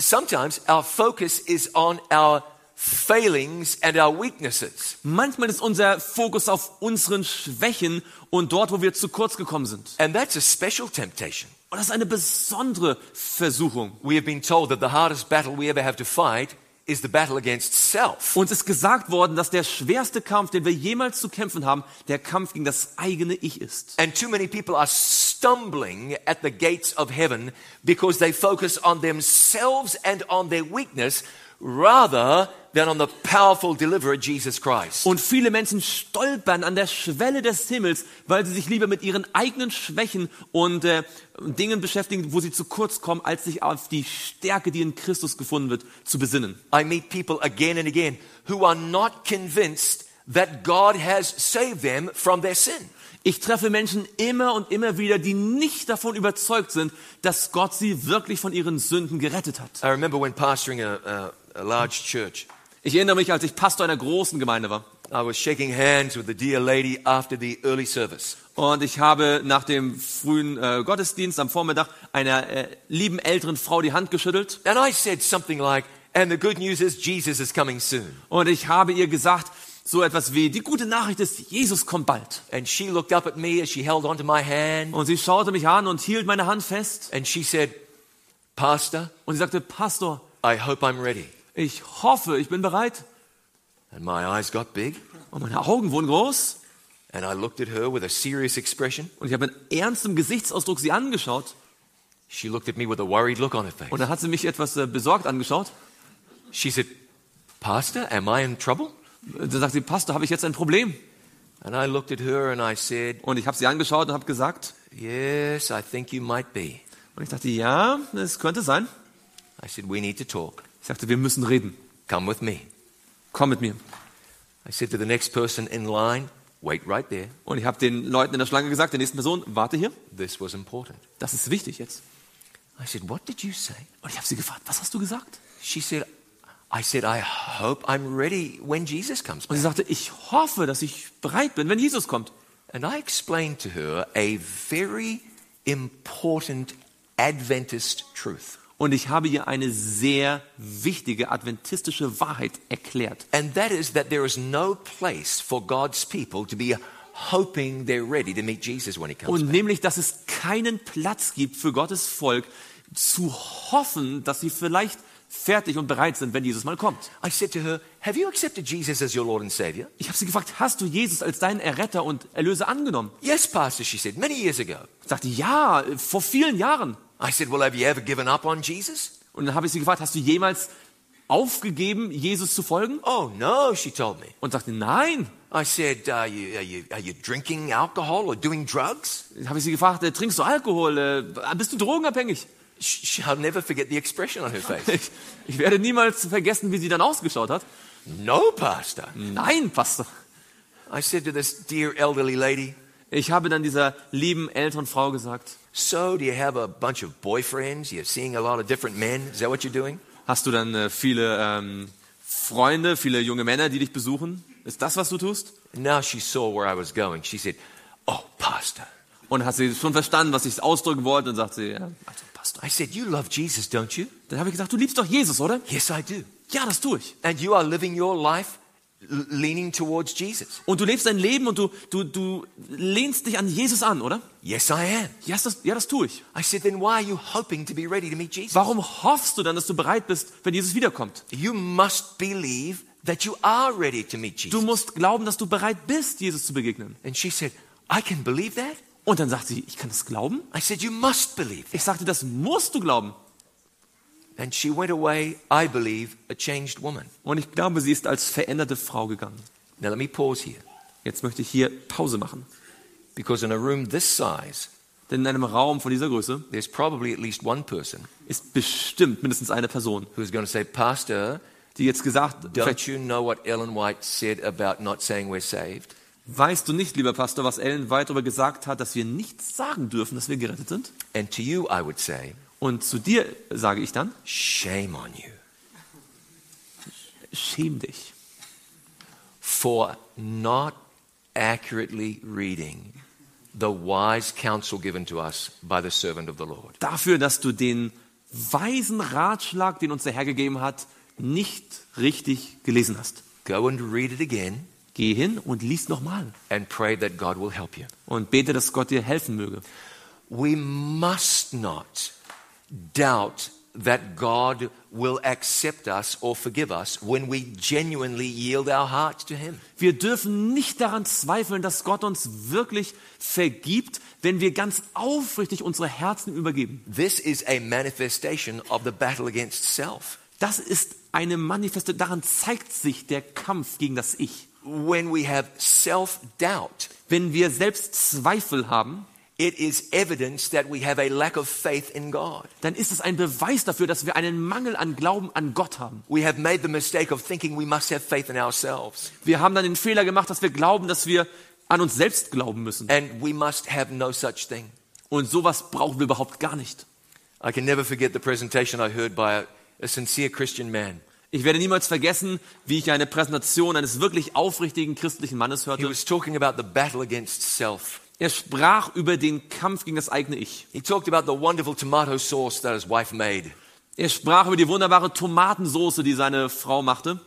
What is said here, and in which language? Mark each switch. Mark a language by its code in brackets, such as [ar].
[en] Sometimes our focus is on our failings and our weaknesses. [de] Manchmal ist unser Fokus auf unseren Schwächen und dort, wo wir zu kurz gekommen sind. [en] And that's a special temptation. [de] Und das ist eine besondere Versuchung. [en] We have been told that the hardest battle we ever have to fight is the battle against self. [de] Uns ist gesagt worden, dass der schwerste Kampf, den wir jemals zu kämpfen haben, der Kampf gegen das eigene Ich ist. [en] And too many people are stumbling at the gates of heaven because they focus on themselves and on their weakness rather than on the powerful deliverer Jesus Christ. [de] Und viele Menschen stolpern an der Schwelle des Himmels, weil sie sich lieber mit ihren eigenen Schwächen und Dingen beschäftigen, wo sie zu kurz kommen, als sich auf die Stärke, die in Christus gefunden wird, zu besinnen. [en] I meet people again and again who are not convinced that God has saved them from their sin. [de] Ich treffe Menschen immer und immer wieder, die nicht davon überzeugt sind, dass Gott sie wirklich von ihren Sünden gerettet hat. [en] I remember when pastoring a large church. [de] Ich erinnere mich, als ich Pastor einer großen Gemeinde war. [en] I was shaking hands with the dear lady after the early service. [de] Und ich habe nach dem frühen Gottesdienst am Vormittag einer lieben älteren Frau die Hand geschüttelt. [en] And I said something like, "And the good news is Jesus is coming soon." [de] Und ich habe ihr gesagt, so etwas wie, die gute Nachricht ist, Jesus kommt bald. [en] And she looked up at me as she held onto my hand. [de] Und sie schaute mich an und hielt meine Hand fest. [en] And she said, "Pastor." [de] Und sie sagte, Pastor. [en] I hope I'm ready. [de] Ich hoffe, ich bin bereit. [en] And my eyes got big. [de] Und meine Augen wurden groß. [en] And I looked at her with a serious expression. [de] Und ich habe mit ernstem Gesichtsausdruck sie angeschaut. [en] She looked at me with a worried look on her face. [de] Und dann hat sie mich etwas besorgt angeschaut. [en] She said, "Pastor, am I in trouble?" [de] Dann sagt sie, Pastor, habe ich jetzt ein Problem? [en] And I looked at her and I said, [de] und ich habe sie angeschaut und habe gesagt, [en] "Yes, I think you might be." [de] Und ich dachte, ja, es könnte sein. [en] I said, "We need to talk." [de] Ich sagte, wir müssen reden. [en] "Come with me." [de] Komm mit mir. [en] I said to the next person in line, "Wait right there." [de] Und ich habe den Leuten in der Schlange gesagt, der nächsten Person, warte hier. [en] This was important. [de] Das ist wichtig jetzt. [en] I said, "What did you say?" [de] Und ich habe sie gefragt, was hast du gesagt? [en] She said, I said, "I hope I'm ready when Jesus comes back." [de] Und sie sagte, ich hoffe, dass ich bereit bin, wenn Jesus kommt. [en] And I explained to her a very important Adventist truth. [de] Und ich habe ihr eine sehr wichtige adventistische Wahrheit erklärt. [en] And that is that there is no place for God's people to be hoping they're ready to meet Jesus when he comes back. [de] Und nämlich, dass es keinen Platz gibt für Gottes Volk zu hoffen, dass sie vielleicht fertig und bereit sind, wenn Jesus mal kommt. [en] I said to her, "Have you accepted Jesus as your Lord and Savior?" [de] Ich habe sie gefragt, hast du Jesus als deinen Erretter und Erlöser angenommen? [en] "Yes, Pastor," she said, "many years ago." [de] Sagte, ja, vor vielen Jahren. [en] I said, "Well, have you ever given up on Jesus?" [de] Und dann habe ich sie gefragt, hast du jemals aufgegeben, Jesus zu folgen? [en] "Oh no," she told me. [de] Und sagte, nein. [en] I said, "Are you drinking alcohol or doing drugs?" [de] Habe ich sie gefragt, trinkst du Alkohol? Bist du drogenabhängig? [en] I'll never forget the expression on her face. [de] Ich werde niemals vergessen, wie sie dann ausgeschaut hat. [en] "No, Pastor." [de] Nein, Pastor. [en] I said to this dear elderly lady. [de] Ich habe dann dieser lieben älteren Frau gesagt. [en] "So, do you have a bunch of boyfriends? You're seeing a lot of different men. Is that what you're doing?" [de] Hast du dann viele Freunde, viele junge Männer, die dich besuchen? Ist das, was du tust? [en] Now she saw where I was going. She said, "Oh, Pastor." [de] Und hat sie schon verstanden, was ich ausdrücken wollte? Und sagte sie, ja. [en] I said, "You love Jesus, don't you?" [de] Dann habe ich gesagt, du liebst doch Jesus, oder? [en] "Yes, I do." [de] Ja, das tue ich. [en] "And you are living your life leaning towards Jesus." [de] Und du lebst dein Leben und du lehnst dich an Jesus an, oder? [en] "Yes, I am." [de] Ja, das tue ich. [en] I said, "Then why are you hoping to be ready to meet Jesus?" [de] Warum hoffst du dann, dass du bereit bist, wenn Jesus wiederkommt? [en] "You must believe that you are ready to meet Jesus." [de] Du musst glauben, dass du bereit bist, Jesus zu begegnen. [en] And she said, "I can believe that." [de] Und dann sagt sie, ich kann das glauben. [en] I said, "You must believe." [de] Ich sagte, das musst du glauben. [en] And she went away, I believe, a changed woman. [de] Und ich glaube, sie ist als veränderte Frau gegangen. [en] Now let me pause here. [de] Jetzt möchte ich hier Pause machen. [en] Because in a room this size, [de] denn in einem Raum von dieser Größe, [en] there's probably at least one person, [de] ist bestimmt mindestens eine Person, [en] who's going to say, "Pastor, [de] die jetzt gesagt, [en] don't you know what Ellen White said about not saying we're saved?" [de] Weißt du nicht, lieber Pastor, was Ellen White darüber gesagt hat, dass wir nichts sagen dürfen, dass wir gerettet sind? [en] And to you, I would say, [de] und zu dir sage ich dann, [en] shame on you. [de] Schäm dich. [en] For not accurately reading the wise counsel given to us by the servant of the Lord. [de] Dafür, dass du den weisen Ratschlag, den uns der Herr gegeben hat, nicht richtig gelesen hast. [en] Go and read it again. [de] Geh hin und lies nochmal. [en] And pray that God will help you. [de] Und bete, dass Gott dir helfen möge. [en] We must not doubt that God will accept us or forgive us when we genuinely yield our hearts to him. [de] Wir dürfen nicht daran zweifeln, dass Gott uns wirklich vergibt, wenn wir ganz aufrichtig unsere Herzen übergeben. [en] This is a manifestation of the battle against self. [de] Das ist eine Manifestation, daran zeigt sich der Kampf gegen das Ich. [en] When we have self-doubt, [de] wenn wir selbst Zweifel haben, [en] it is evidence that we have a lack of faith in God. [de] Dann ist es ein Beweis dafür, dass wir einen Mangel an Glauben an Gott haben. [en] We have made the mistake of thinking we must have faith in ourselves. [de] Wir haben dann den Fehler gemacht, dass wir glauben, dass wir an uns selbst glauben müssen. [en] And we must have no such thing. [de] Und sowas brauchen wir überhaupt gar nicht. [en] I can never forget the presentation I heard by a sincere Christian man. [de] Ich werde niemals vergessen, wie ich eine Präsentation eines wirklich aufrichtigen christlichen Mannes hörte. [en] He was talking about the battle against self. [de] Er sprach über den Kampf gegen das eigene Ich. [en] He talked about the wonderful tomato sauce that his wife made. [de] Er sprach über die wunderbare Tomatensauce, die seine Frau machte.